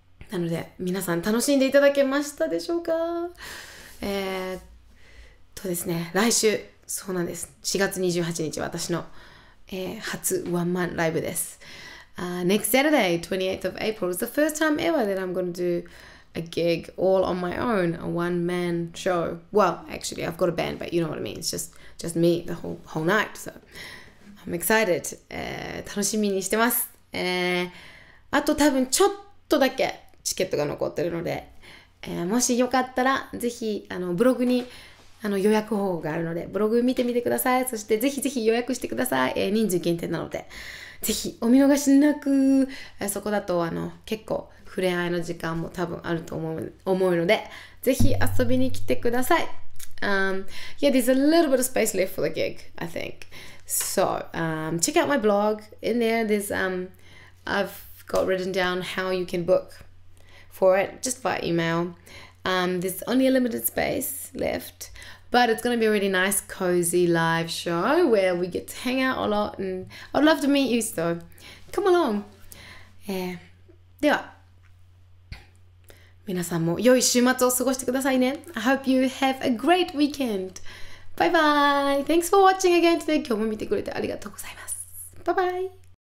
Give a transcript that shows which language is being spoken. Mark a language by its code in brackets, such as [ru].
[ja] なので皆さん楽しんでいただけましたでしょうか。ですね、来週そうなんです。 4月28日は私の、初ワンマンライブです。 [en] Next Saturday, 28th of April, is the first time ever that I'm going to do a gig all on my own, a one-man show. Well, actually, I've got a band, but you know what I mean. It's just me the whole night, so I'm excited. [ja] 楽しみにしてます。あと多分ちょっとだけチケットが残ってるので、もしよかったらぜひブログに予約方法があるので、ブログ見てみてください。そしてぜひぜひ予約してください。人数限定なので。ぜひお見逃しなく。そこだと結構触れ合いの時間も多分あると思うのでぜひ遊びに来てください。 [en] Yeah, there's a little bit of space left for the gig, I think. So, check out my blog. In there, there's, I've got written down how you can book for it just by email. There's only a limited space left, but it's going to be a really nice, cozy live show where we get to hang out a lot and I'd love to meet you, so come along! [ja] では、皆さんも良い週末を過ごしてくださいね。 [en] I hope you have a great weekend! Bye bye! Thanks for watching again today! [ja] 今日も見てくれてありがとうございます。 [en] Bye bye!